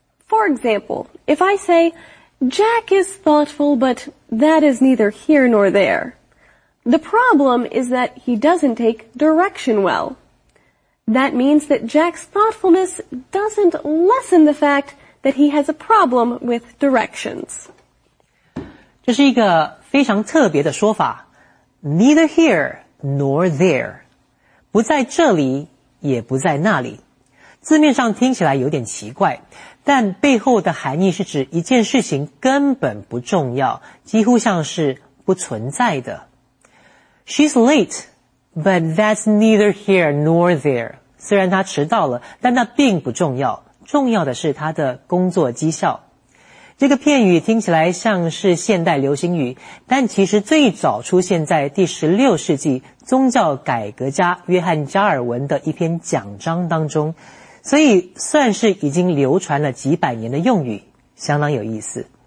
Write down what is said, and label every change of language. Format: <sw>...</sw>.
<en>For example, if I say, Jack is thoughtful, but that is neither here nor there. The problem is that he doesn't take direction well. That means that Jack's thoughtfulness doesn't lessen the fact that he has a problem with directions.</en> <zh>这是一个非常特别的说法。</zh> <en>Neither here nor there.</en> <zh>不在这里也不在那里。字面上听起来有点奇怪，但背后的含义是指一件事情根本不重要，几乎像是不存在的。</zh> <en>She's late, but that's neither here nor there.</en> <zh>虽然她迟到了，但那并不重要，重要的是她的工作绩效。这个片语听起来像是现代流行语，但其实最早出现在第16世纪宗教改革家约翰·加尔文的一篇讲章当中，所以算是已经流传了几百年的用语，相当有意思。</zh>